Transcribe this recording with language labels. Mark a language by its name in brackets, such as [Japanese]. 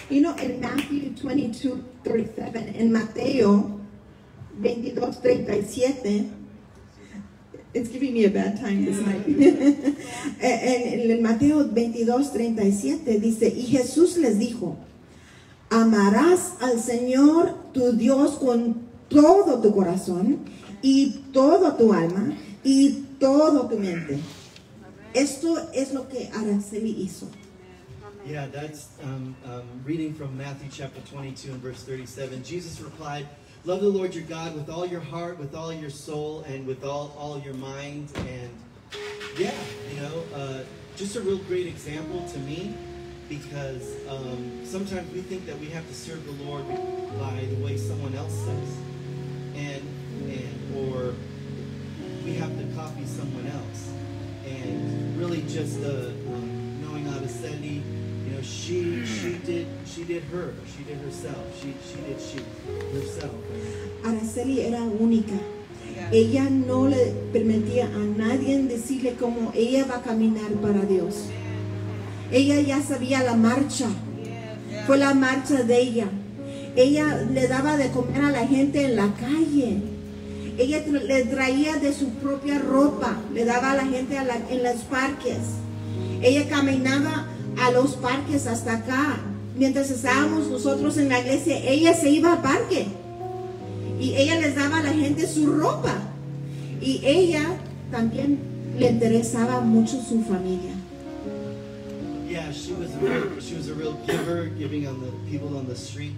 [English] You know, in Matthew 22:37, in Mateo 22:37, it's giving me a bad time this night. [Spanish] En Mateo 22:37 dice, y Jesús les dijo, amarás al Señor tu Dios con todo tu corazón y toda tu alma y toda tu mente. Esto es lo que Araceli hizo. [English] Yeah, that's reading from Matthew chapter 22 and verse 37. Jesus replied, "Love the Lord your God with all your heart, with all your soul, and with all your mind." And yeah, you know, just a real great example to me, because sometimes we think that we have to serve the Lord by the way someone else says, or we have to copy someone else. And really, just knowing Araceli, you know, she did herself. [Spanish] Araceli era única. Ella no le permitía a nadie decirle cómo ella va a caminar para Dios. Ella ya sabía la marcha. Fue la marcha de ella. Ella le daba de comer a la gente en la calle. Ella le traía de su propia ropa, le daba a la gente en los parques. Ella caminaba a los parques hasta acá. Mientras estábamos nosotros en la iglesia, ella se iba al parque. Y ella les daba a la gente su ropa. Y ella también le interesaba mucho su familia. [English] Yeah, she was a real giver, giving on the people on the street.